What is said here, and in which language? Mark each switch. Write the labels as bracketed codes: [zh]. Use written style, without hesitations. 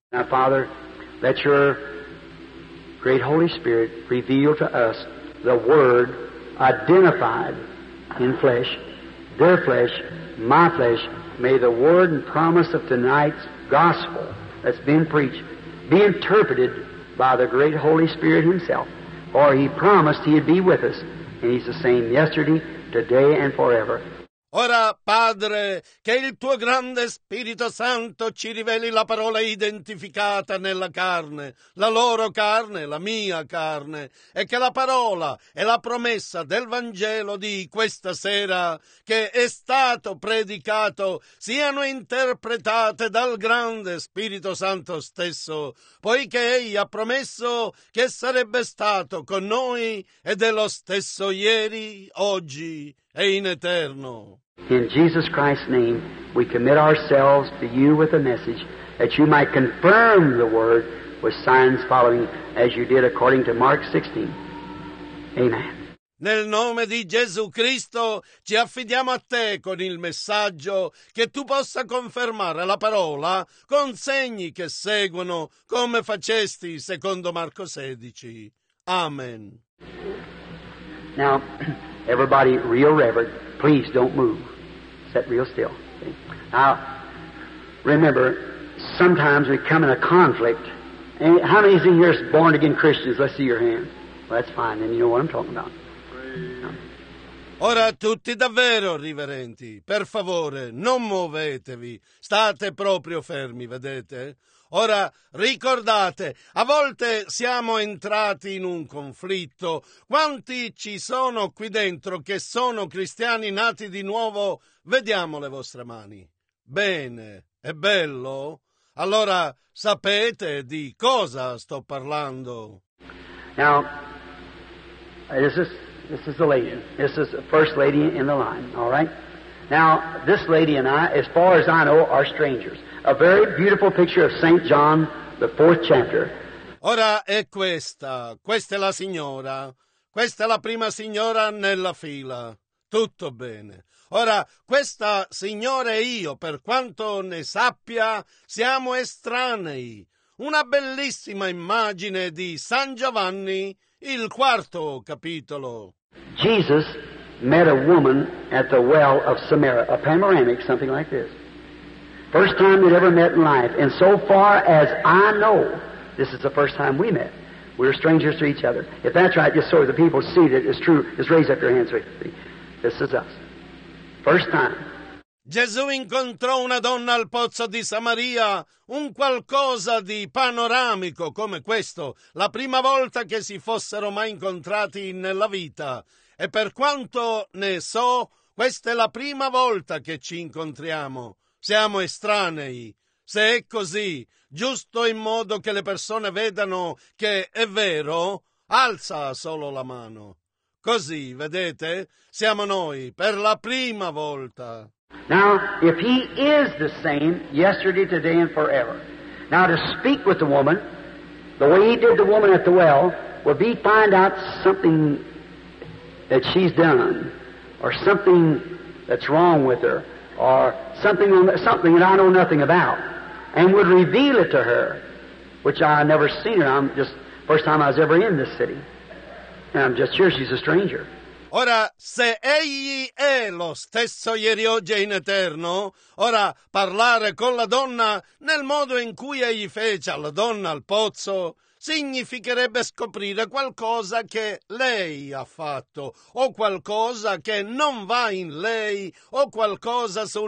[en] Now, Father, let your great Holy Spirit reveal to us the Word identified in flesh, their flesh, my flesh. May the word and promise of tonight's gospel that's been preached be interpreted by the great Holy Spirit Himself. For He promised He'd be with us, and He's the same yesterday, today, and forever. [it] Ora, Padre, che il tuo grande Spirito Santo ci riveli la parola identificata nella carne, la loro carne, la mia carne, e che la parola e la promessa del Vangelo di questa sera, che è stato predicato, siano interpretate dal grande Spirito Santo stesso, poiché Egli ha promesso che sarebbe stato con noi ed è lo stesso ieri, oggi e in eterno. [en] In Jesus Christ's name, we commit ourselves to you with a message that you might confirm the word with signs following as you did according to Mark 16. Amen. [it] Nel nome di Gesù Cristo ci affidiamo a te con il messaggio che tu possa confermare la parola con segni che seguono come facesti secondo Marco 16. Amen. [en] Now, everybody real reverent, please don't move. Set real still. Now, remember, sometimes we come in a conflict. And how many of you here are born-again Christians? Let's see your hand. Well, that's fine, then you know what I'm talking about. [it] Ora tutti davvero riverenti, per favore, non muovetevi. State proprio fermi, vedete? Ora, ricordate, a volte siamo entrati in un conflitto. Quanti ci sono qui dentro che sono cristiani nati di nuovo? Vediamo le vostre mani. Bene, è bello? Allora, sapete di cosa sto parlando? [en] Now, this is the lady. This is the first lady in the line, all right? Now, this lady and I, as far as I know, are strangers. A very beautiful picture of St. John, the fourth chapter. [it] Ora è questa. Questa è la signora. Questa è la prima signora nella fila. Tutto bene. Ora, questa signora e io, per quanto ne sappia, siamo estranei. Una bellissima immagine di San Giovanni, il quarto capitolo. [en] Jesus met a woman at the well of Samaria, a panoramic, something like this. First time we'd ever met in life, and so far as I know, this is the first time we met. We're strangers to each other. If that's right, just so the people see that it's true, just raise up your hands. This is us. First time. [it] Gesù incontrò una donna al pozzo di Samaria, un qualcosa di panoramico come questo, la prima volta che si fossero mai incontrati nella vita. E per quanto ne so, questa è la prima volta che ci incontriamo. Siamo estranei. Se è così, giusto in modo che le persone vedano che è vero, alza solo la mano. Così, vedete, siamo noi per la prima volta. [en] Now, if he is the same yesterday, today, and forever, now to speak with the woman, the way he did the woman at the well, would be find out something that she's done, or something that's wrong with her, or something that I know nothing about, and would reveal it to her, which I never seen her. I'm just first time I was ever in this city, and I'm just sure she's a stranger. [it] Ora, se egli è lo stesso ieri, oggi e in eterno, ora parlare con la donna nel modo in cui egli fece alla donna al pozzo significherebbe scoprire qualcosa che lei ha fatto o qualcosa che non va in lei o qualcosa